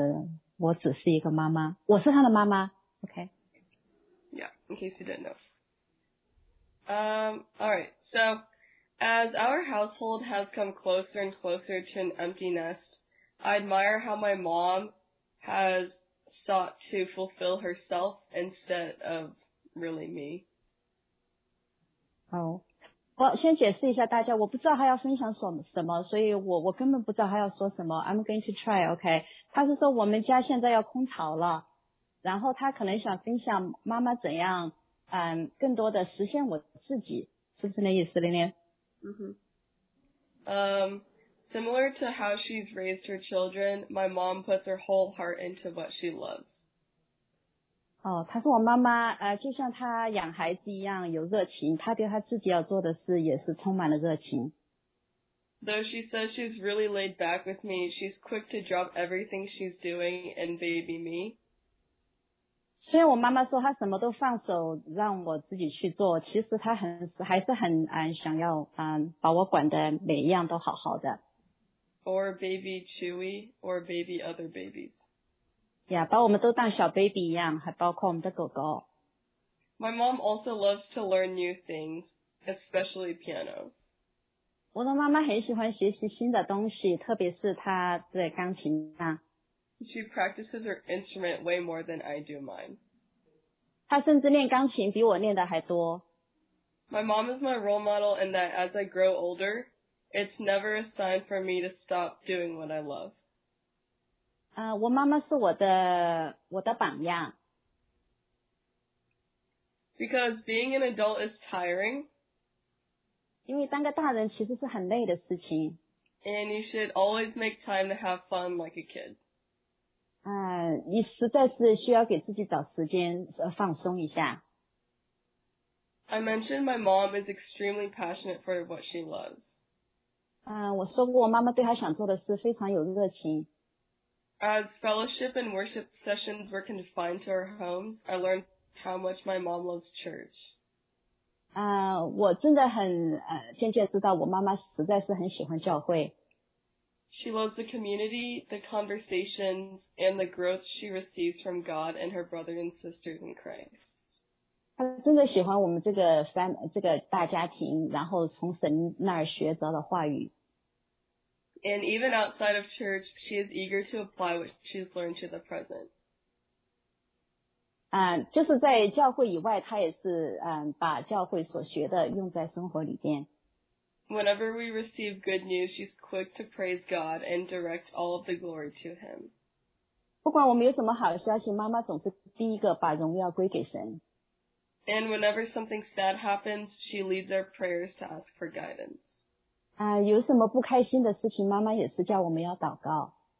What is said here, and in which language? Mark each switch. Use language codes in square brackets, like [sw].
[zh] 他说他前面部分要省掉的就是他怎样更多的认识他妈妈，除了我只是一个妈妈，我是他的妈妈。 [en] Okay. Yeah, in case you didn't know. Alright, so as our household has come closer and closer to an empty nest, I admire how my mom has sought to fulfill herself instead of really me. Oh. [zh] 我先解释一下大家，我不知道他要分享什么，所以我根本不知道他要说什么。 [en] I'm going to try, OK? [zh] 他是说我们家现在要空巢了，然后他可能想分享妈妈怎样，更多的实现我自己，是不是那意思，玲玲？嗯哼。 [en] Similar to how she's raised her children, my mom puts her whole heart into what she loves. [zh] 哦，她是我妈妈，就像她养孩子一样有热情，她对她自己要做的事也是充满了热情。 [en] Though she says she's really laid back with me, she's quick to drop everything she's doing and baby me. [zh] 虽然我妈妈说她什么都放手让我自己去做，其实她还是很想要把我管的每一样都好好的。 [en] Or baby Chewy, or baby other babies. [zh] Yeah, 把我们都当小 baby 一样，还包括我们的狗狗。 [en] My mom also loves to learn new things, especially piano. [zh] 我的妈妈很喜欢学习新的东西，特别是她在钢琴上。 [en] She practices her instrument way more than I do mine. [zh] 她甚至练钢琴比我练的还多。 [en] My mom is my role model in that as I grow older,It's never a sign for me to stop doing what I love. [zh] 我妈妈是我的榜样。 [en] Because being an adult is tiring. [zh] 因为当个大人其实是很累的事情。 [en] And you should always make time to have fun like a kid. [zh] 你实在是需要给自己找时间放松一下。 [en] I mentioned my mom is extremely passionate for what she loves. [zh] 我说过我妈妈对她想做的事非常有热情。 [en] As fellowship and worship sessions were confined to our homes, I learned how much my mom loves church. [zh] 我真的很渐渐知道我妈妈实在是很喜欢教会。 [en] She loves the community, the conversations, and the growth she receives from God and her brothers and sisters in Christ. [zh] 他真的喜欢我们这个大家庭，然后从神那儿学着的话语。 [en] And even outside of church, she is eager to apply what she's learned to the present. [zh] 就是在教会以外，他也是把教会所学的用在生活里边。 [en] Whenever we receive good news, she's quick to praise God and direct all of the glory to Him. [zh] 不管我们有什么好消息，妈妈总是第一个把荣耀归给神。 [en] And whenever something sad happens, she leads our prayers to ask for guidance. [zh] 有什么不开心的事情，妈妈也是叫我们要祷告。